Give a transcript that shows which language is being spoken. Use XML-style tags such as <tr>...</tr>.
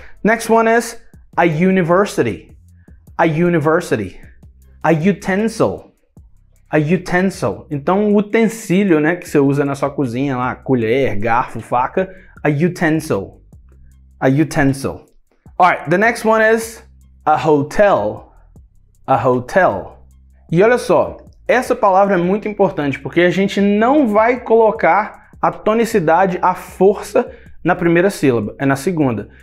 <en>Next one is a university, a university. A utensil, a utensil.</en> <pt>Então, um utensílio, né, que você usa na sua cozinha lá, colher, garfo, faca,</pt> <en>a utensil, a utensil. Alright, the next one is a hotel, a hotel.</en> <pt>E olha só, essa palavra é muito importante porque a gente não vai colocar a tonicidade, a força na primeira sílaba, é na segunda.</pt>